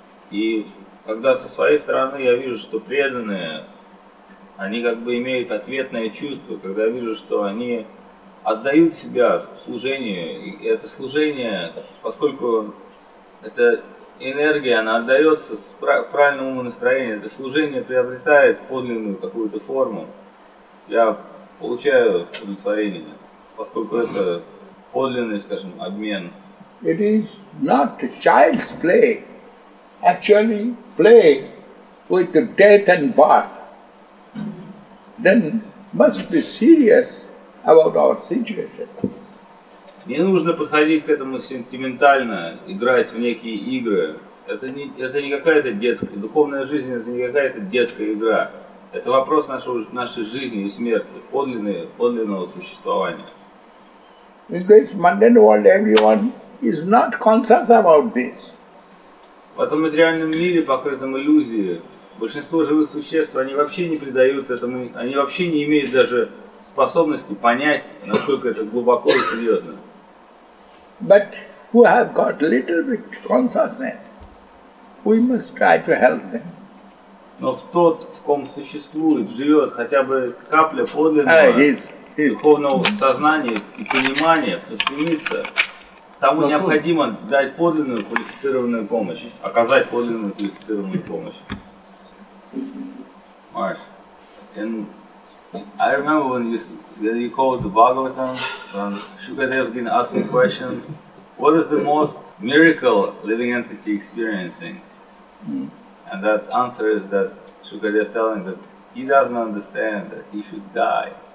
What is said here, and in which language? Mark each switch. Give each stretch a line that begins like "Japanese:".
Russian: И когда со своей стороны я вижу, что преданные, они как бы имеют ответное чувство, когда я вижу, что они отдают себя служению, и это служение, поскольку эта энергия, она отдается с правильному настроению, это служение приобретает подлинную какую-то форму, я получаю удовлетворение. Поскольку это подлинный, скажем, обмен.
English: It is not child's play, actually play with death and birth. then must be serious about our situation.
Russian: Не нужно подходить к этому сентиментально, играть в некие игры. Это не какая-то детская духовная жизнь, это не какая-то детская игра. Это вопрос нашей жизни и смерти, подлинного существования.
English: In this mundane world, everyone is not conscious about this.
Russian: В этом материальном мире, покрытом иллюзией, большинство живых существ, они вообще не придают этому, они вообще не имеют даже способности понять, насколько это глубоко и серьезно.
English: But who have got little bit consciousness, we must try to help them.
Russian: Но в тот, в ком существует, живет хотя бы капля подлинного духовного сознания и понимания, кто стремится, тому необходимо дать подлинную квалифицированную помощь, оказать подлинную квалифицированную помощь.
English: Маш, and I remember when you called the Bhagavatam, when Shukadev has been asking question, what is the most miracle living entity experiencing? And that answer is that Shukadev is telling that he doesn't understand that he should die.